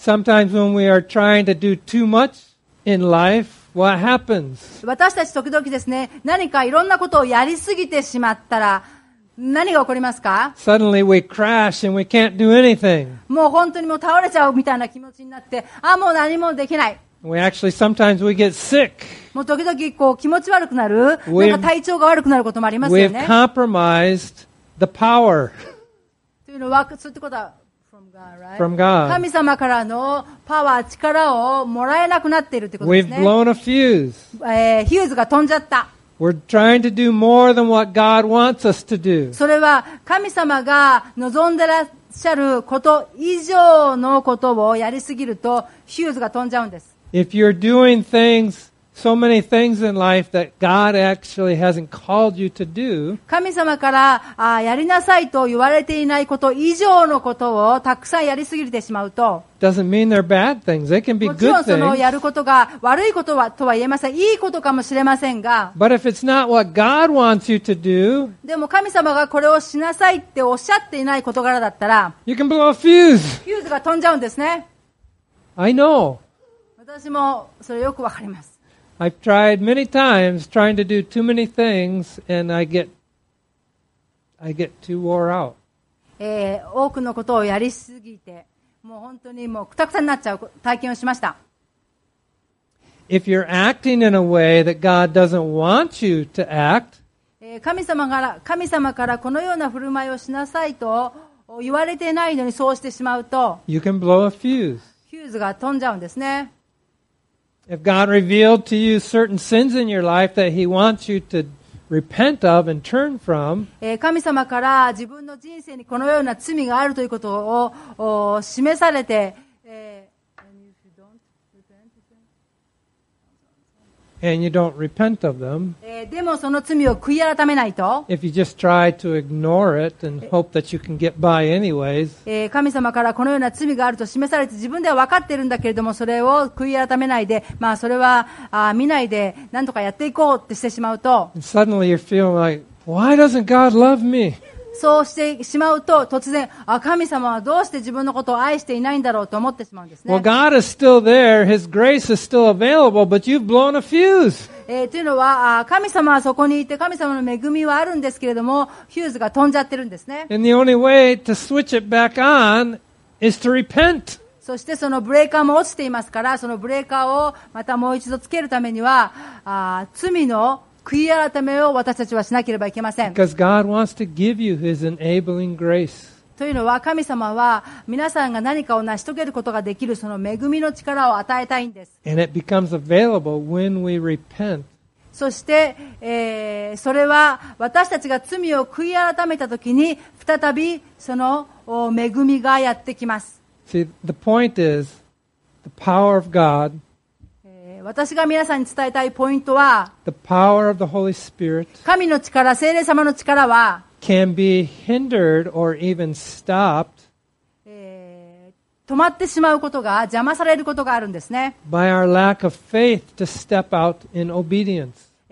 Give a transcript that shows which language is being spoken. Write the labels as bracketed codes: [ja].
[en] Sometimes when we are trying to do too much in life, what happens? [ja] 私たち時々ですね何かいろんなことをやりすぎてしまったら何が起こりますか [en] Suddenly we crash and we can't do anything. [ja] もう本当にもう倒れちゃうみたいな気持ちになってあもう何もできない [en] We actually sometimes we get sick. [ja] もう時々こう気持ち悪くなる、なんか体調が悪くなることもありますよね。 [en] We've compromised the power. [ja] というのはそういったことは [en] from God, right? From God. [ja] 神様からのパワー、力をもらえなくなっているってことです [en] ね。We've blown a fuse. [ja] ヒューズが飛んじゃった。 [en] We're trying to do more than what God wants us to do. [ja] それは神様が望んでらっしゃること以上のことをやりすぎるとヒューズが飛んじゃうんです。 [en] If you're doing things, so many things in life that God actually hasn't called you to do, [ja] 神様からやりなさいと言われていないこと以上のことをたくさんやりすぎてしまうと、 [en] doesn't mean they're bad things. They can be good things. [ja] もちろんそのやることが悪いことはとは言えません。いいことかもしれませんが、 [en] but if it's not what God wants you to do, [ja] でも神様がこれをしなさいっておっしゃっていない事柄だったら、 [en] you can blow a fuse. [ja] フューズが飛んじゃうんですね。 [en] I know. [ja] 私もそれよくわかります。 [en] I've tried many times trying to do too many things and I get too wore out. [ja] 多くのことをやりすぎて、もう本当にもうくたくたになっちゃう体験をしました。 [en] If you're acting in a way that God doesn't want you to act, [ja] 神様からこのような振る舞いをしなさいと言われてないのにそうしてしまうと、 [en] you can blow a fuse. [ja] フューズが飛んじゃうんですね。 [en] If God revealed to you certain sins in your life that He wants you to repent of and turn from, [ja] 神様から自分の人生にこのような罪があるということを示されて、 [en] and you don't repent of them, [ja] でもその罪を悔い改めないと、 [en] if you just try to ignore it and hope that you can get by anyways, [ja] 神様からこのような罪があると示されて自分では分かっているんだけれどもそれを悔い改めないで、まあそれは見ないで何とかやっていこうってしてしまうと、 [en] suddenly you're feeling like, why doesn't God love me? [ja] そうしてしまうと突然あ神様はどうして自分のことを愛していないんだろうと思ってしまうんですね。 [en] Well, God is still there. His grace is still available, but you've blown a fuse. [ja] というのは神様はそこにいて神様の恵みはあるんですけれどもフューズが飛んじゃってるんですね。 [en] And the only way to switch it back on is to repent. [ja] そしてそのブレーカーも落ちていますからそのブレーカーをまたもう一度つけるためには罪の悔い改めを私たちはしなければいけません。 [en] Because God wants to give you His enabling grace. [ja] というのは神様は皆さんが何かを成し遂げることができるその恵みの力を与えたいんです。 [en] And it becomes available when we repent. [ja] そして、それは私たちが罪を悔い改めたときに再びその恵みがやってきます。 [en] See, the point is the power of God. [ja] 私が皆さんに伝えたいポイントは [en] the power of the Holy Spirit [ja] 神の力、聖霊様の力は [en] can be hindered or even stopped [ja] 止まってしまうことが邪魔されることがあるんですね。 [en] by our lack of faith to step out in obedience